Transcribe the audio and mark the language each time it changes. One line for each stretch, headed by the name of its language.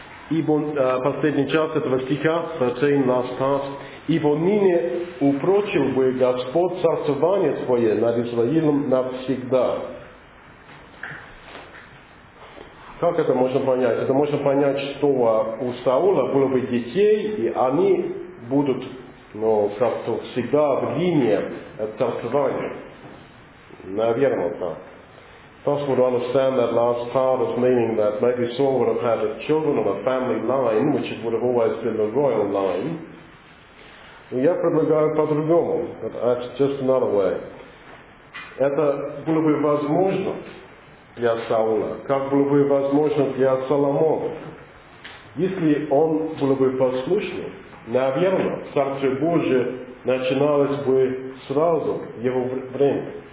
Russian: ибо последний час этого стиха сочтем наш час, ибо ныне упрочил бы Господь царствование Свое над Израилем навсегда. Как это можно понять? Это можно понять, что у Саула было бы детей, и они будут, ну, как-то всегда в линии царствования. Наверное, так.
English: Thus would I understand that last part as meaning that maybe Saul would have had children of a family line, which would have always been the royal line.
Russian: Но я предлагаю по-другому.
English: That's just another way.
Russian: Это было бы возможно для Саула, как было бы возможно для Соломона. Если он был бы послушным, наверное, Царствие Божие начиналось бы сразу его время.